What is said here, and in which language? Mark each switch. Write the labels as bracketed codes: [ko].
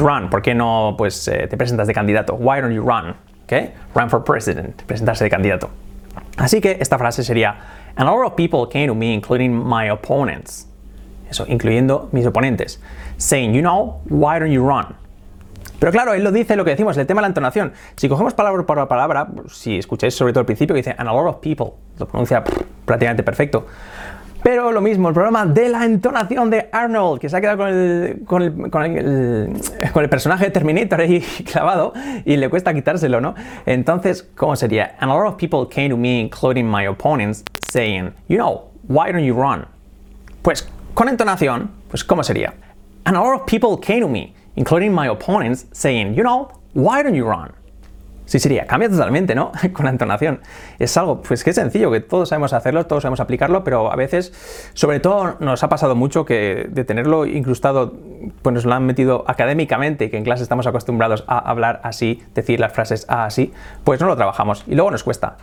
[es] ¿Por qué no te presentas de candidato? [en] Why don't you run? Okay? Run for president, [es] presentarse de candidato. Así que esta frase sería, [en] and a lot of people came to me, including my opponents. [es] Eso, incluyendo mis oponentes. [en] Saying, you know, why don't you run? [es] Pero claro, él lo dice, lo que decimos, el tema de la entonación. Si cogemos palabra por palabra, si escucháis sobre todo al principio, que dice, [en] and a lot of people, [es] lo pronuncia prácticamente perfecto. Pero lo mismo, el problema de la entonación de Arnold, que se ha quedado con el personaje de Terminator ahí clavado y le cuesta quitárselo, ¿no? Entonces, ¿cómo sería? [en] And a lot of people came to me, including my opponents, saying, you know, why don't you run? [es] Pues, con entonación, pues, ¿cómo sería? [en] And a lot of people came to me, including my opponents, saying, you know, why don't you run? [es] Sí, sería. Cambia totalmente, ¿no? Con la entonación. Es algo, pues que es sencillo, que todos sabemos hacerlo, todos sabemos aplicarlo, pero a veces, sobre todo, nos ha pasado mucho que de tenerlo incrustado, pues nos lo han metido académicamente, que en clase estamos acostumbrados a hablar así, decir las frases así, pues no lo trabajamos. Y luego nos cuesta.